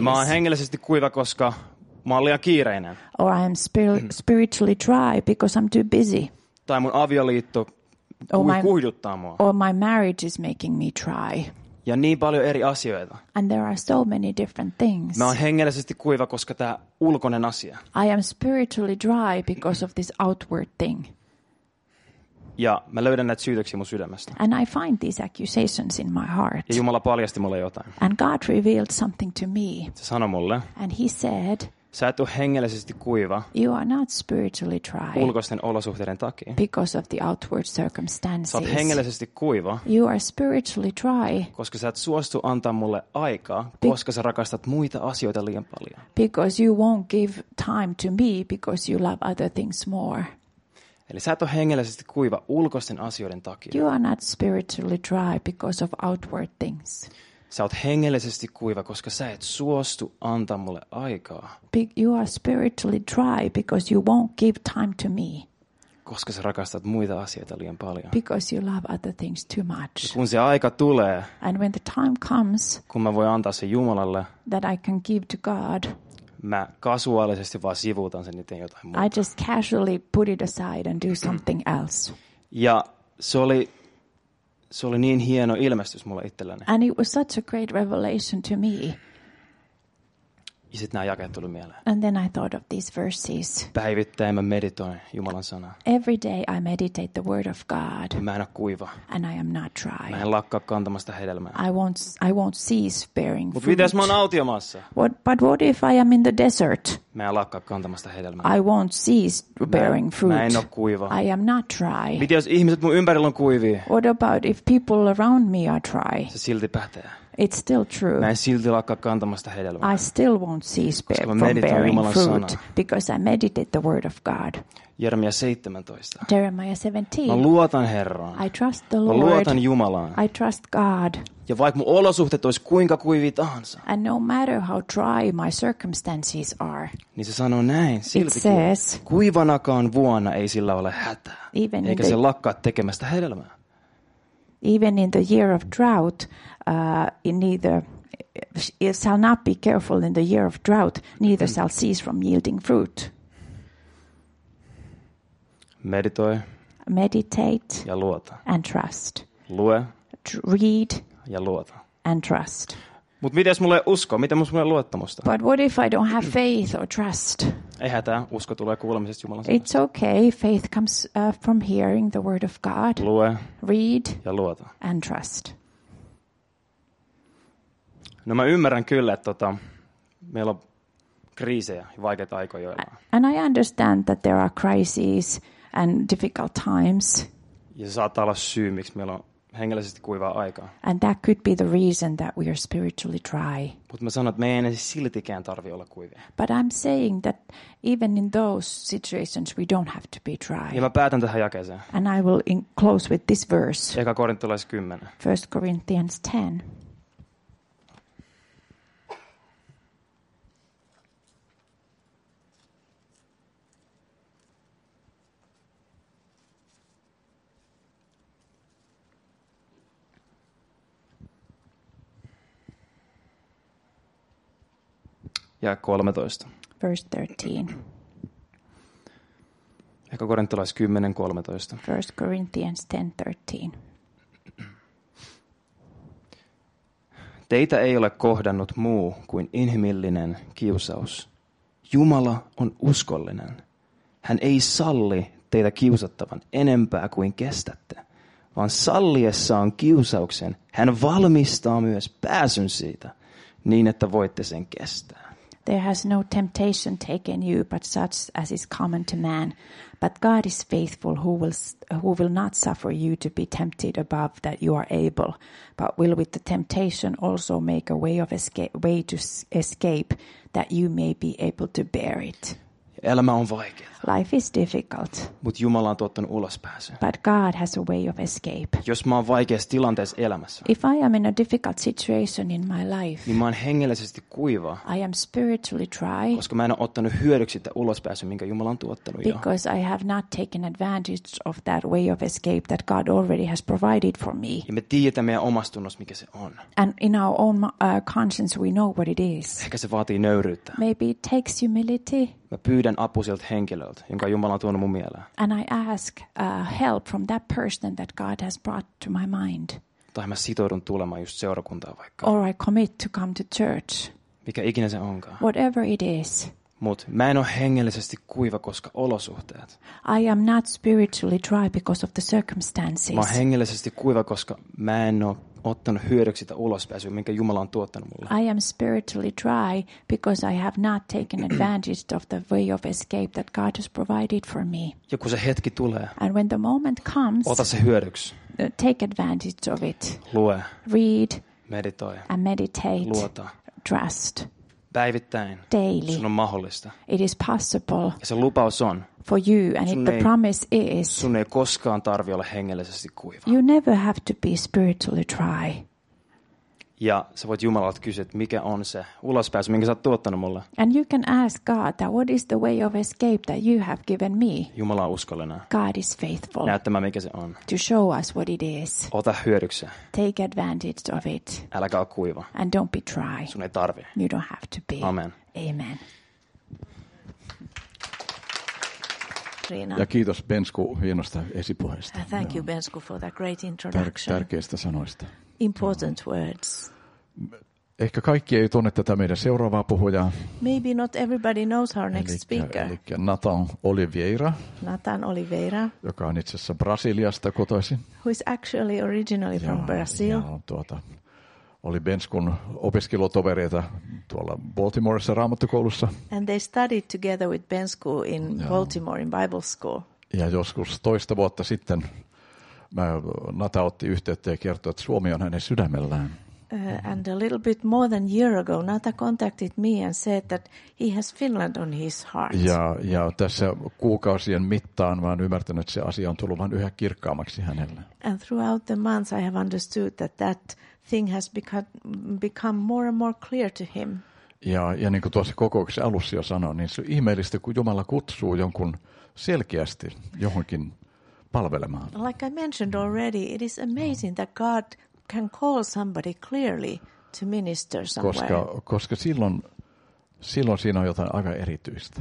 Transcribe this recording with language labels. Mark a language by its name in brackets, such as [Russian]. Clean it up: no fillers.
[Finnish] Mä oon hengellisesti kuiva, koska mä oon liian kiireinen. [English] Or I am spiritually dry because I'm too busy. [Finnish] Tai mun avioliitto kuihduttaa mua. [English] Or my marriage is making me dry. [Finnish] Ja niin paljon eri asioita. [English] And there are so many different things. [Finnish] Mä oon hengellisesti kuiva, koska tää ulkoinen asia. [English] I am spiritually dry because of this outward thing. [Finnish] Ja mä löydän näitä syytöksiä mun sydämestä. [English] And I find these accusations in my heart. [Finnish] Ja Jumala paljasti mulle jotain. [English] And God revealed something to me. [Finnish] Se sanoi mulle. [English] And he said, [Finnish] sä et ole hengellisesti kuiva. [English] You are not spiritually dry. [Finnish] Ulkoisten olosuhteiden takia. [English] Because of the outward circumstances. [Finnish] Sä oot hengellisesti kuiva. [English] You are spiritually dry. [Finnish] Koska sä et suostu antaa mulle aikaa, koska sä rakastat muita asioita liian paljon. [English] Because you won't give time to me because you love other things more. [Finnish] Eli sä et ole hengellisesti kuiva ulkoisten asioiden takia. [English] You are not spiritually dry because of outward things. [Finnish] Sä oot hengellisesti kuiva, koska sä et suostu antaa mulle aikaa. [English] You are spiritually dry because you won't give time to me. [Finnish] Koska sä rakastat muita asioita liian paljon. [English] Because you love other things too much. [Finnish] Ja kun se aika tulee. [English] And when the time comes. [Finnish] Kun mä voin antaa sen Jumalalle. [English] That I can give to God. [Finnish] Mä kasuaalisesti vaan sivuutan sen itse jotain muuta. [English] I just casually put it aside and do something else. [Finnish] Ja se oli niin hieno ilmestys mulle itselleni. [English] And it was such a great revelation to me. [Finnish] Ja sit nää jakeet tuli mieleen. [English] And then I thought of these verses. [Finnish] Päivittäin mä meditoin Jumalan sanaa. [English] Every day I meditate the word of God. [Finnish] Mä en oo kuiva. [English] And I am not dry. [Finnish] Mä en lakkaa kantamasta hedelmää. [English] I won't cease bearing fruit. [Finnish] Mut mitäs mä oon autiomassa? [English] But what if I am in the desert? [Finnish] Mä en lakkaa kantamasta hedelmää. [English] I won't cease bearing fruit. [Finnish] Mä en oo kuiva. [English] I am not dry. [Finnish] Mitä jos ihmiset mun ympärillä on kuivia? [English] What about if people around me are dry? [Finnish] Se silti pätee. [English] It's still true. [Finnish] Mä en silti lakkaa kantamasta hedelmää. [English] I still won't cease from bearing [Finnish] Jumalan [English] fruit [Finnish] sana. [English] Because I meditate the word of God. [Finnish] Jeremia 17. [English] Jeremiah 17. [Finnish] Mä luotan Herraan. [English] I trust the Lord. [Finnish] Mä luotan Jumalaan. [English] I trust God. [Finnish] Ja vaikka mun olosuhteet olisi kuinka kuivia tahansa. [English] And no matter how dry my circumstances are. [Finnish] Niin se sanoo näin. Silti [English] it says, [Finnish] kuivanakaan vuonna ei sillä ole hätää. Eikä se lakkaa tekemästä hedelmää. [English] Even in the year of drought, it shall not be careful in the year of drought, neither shall cease from yielding fruit. [Finnish] Meditoi. [English] Meditate. [Finnish] Ja luota. [English] And trust. [Finnish] Lue. [English] Read. [Finnish] Ja luota. [English] And trust. [Finnish] Mut mitäs mulle usko? Mitä mulle luottamusta? [English] But what if I don't have faith or trust? [Finnish] Ei hätää, usko tulee kuulemisesta Jumalan sanasta. [English] It's okay, faith comes from hearing the word of God. [Finnish] Lue. [English] Read. [Finnish] Ja luota. [English] And trust. [Finnish] No mä ymmärrän kyllä, että meillä on kriisejä ja vaikeita aikoja joillaan. [English] And I understand that there are crises and difficult times. [Finnish] Ja se saattaa olla syy, miksi meillä on hengellisesti kuivaa aikaa. [English] And that could be the reason that we are spiritually dry. [Finnish] Mut mä sanon, että meidän ei siltikään tarvi olla kuivia. [English] But I'm saying that even in those situations we don't have to be dry. [Finnish] Ja mä päätän tähän jakeeseen. [English] And I will close with this verse. [Finnish] Eka Korintolaiset 10. [English] 1 Corinthians 10. [Finnish] Ja 13. [English] Verse 13. [Finnish] Eka Korintolais 10:13. [English] 1 Corinthians 10:13. [Finnish] Teitä ei ole kohdannut muu kuin inhimillinen kiusaus. Jumala on uskollinen. Hän ei salli teitä kiusattavan enempää kuin kestätte, vaan salliessaan kiusauksen hän valmistaa myös pääsyn siitä niin, että voitte sen kestää. [English] There has no temptation taken you but such as is common to man. But God is faithful who will not suffer you to be tempted above that you are able, but will with the temptation also make a way to escape that you may be able to bear it. [Finnish] Elämä on vaikeaa. [English] Life is difficult. [Finnish] Mut Jumala on tuottanut ulospääsyä. [English] But God has a way of escape. [Finnish] Jos mä oon vaikeassa tilanteessa elämässä. [English] If I am in a difficult situation in my life. [Finnish] Niin mä oon hengellisesti kuiva. [English] I am spiritually dry. [Finnish] Koska mä en ole ottanut hyödyksi sitä ulospääsyä, minkä Jumala on tuottanut jo. [English] Because I have not taken advantage of that way of escape that God already has provided for me. [Finnish] Ja me tiedetään meidän omastunnossa, mikä se on. [English] And in our own conscience we know what it is. [Finnish] Ehkä se vaatii nöyryyttä. [English] Maybe it takes humility. [Finnish] Mä pyydän apua siltä henkilöltä, jonka Jumala on tuonut mun mieleen. [English] And I ask help from that person that God has brought to my mind. [Finnish] Tai mä sitoudun tulemaan just seurakuntaa vaikka. [English] Or I commit to come to church. [Finnish] Mikä ikinä se onkaan. [English] Whatever it is. [Finnish] Mut mä en ole hengellisesti kuiva, koska olosuhteet. [English] I am not spiritually dry because of the circumstances. [Finnish] Mä oon hengellisesti kuiva, koska mä en ole ottanut hyödyksi sitä ulospääsyä, minkä Jumala on tuottanut mulle. [English] I am spiritually dry because I have not taken advantage of the way of escape that God has provided for me. [Finnish] Ja kun se hetki tulee. [English] And when the moment comes. [Finnish] Ota se hyödyksi. [English] Take advantage of it. [Finnish] Lue. [English] Read. [Finnish] Meditoi. [English] And meditate. [Finnish] Luota. [English] Trust. [Finnish] Päivittäin. [English] Daily. [Finnish] Sun on mahdollista. [English] It is possible. [Finnish] Ja se lupaus on. [English] For you and it, the promise is. [Finnish] Sun ei koskaan tarvi olla hengellisesti kuiva. [English] You never have to be spiritually dry. [Finnish] Ja sä voit Jumalalta kysyä, mikä on se ulospääsy, minkä sä oot tuottanut mulle. [English] And you can ask God that what is the way of escape that you have given me. [Finnish] Jumala on uskollinen. [English] God is faithful. [Finnish] Näyttämään, mikä se on. [English] To show us what it is. [Finnish] Ota hyödyksi. [English] Take advantage of it. [Finnish] Äläkä ole kuiva. [English] And don't be dry. [Finnish] Sun ei tarvi. [English] You don't have to be. [Finnish] Amen. [English] Amen. [Finnish] Riina. Ja kiitos Bensku hienosta esipuheesta. [English] Thank you Bensku for that great introduction. [Finnish] Tärkeistä sanoista. [English] Important words. [Finnish] Ehkä kaikki ei tunne tätä meidän seuraavaa puhujaa. [English] Maybe not everybody knows our next speaker. [Finnish] Elikkä Nathan Oliveira. [English] Nathan Oliveira. [Finnish] Joka on itse asiassa Brasiliasta kotoisin. [English] Who is actually originally from Brazil. [Finnish] Ja tuota, oli Benskun opiskelutovereita tuolla Baltimoressa raamattukoulussa. [English] And they studied together with Bensku in Baltimore in Bible school. [Finnish] Ja joskus toista vuotta sitten Nata otti yhteyttä ja kertoi, että Suomi on hänen sydämellään. [English] And a little bit more than a year ago, Nata contacted me and said that he has Finland on his heart. [Finnish] Ja tässä kuukausien mittaan vaan ymmärtänyt, että se asia on tullut vaan yhä kirkkaammaksi hänelle. [English] And throughout the months I have understood that that thing has become more and more clear to him. [Finnish] Ja niin kuin tuossa kokouksen alussa jo sanoin, niin se on ihmeellistä, kun Jumala kutsuu jonkun selkeästi johonkin palvelemaan. [English] Like I mentioned already, it is amazing that God can call somebody clearly to minister somewhere. [Finnish] Koska silloin siinä on jotain aika erityistä.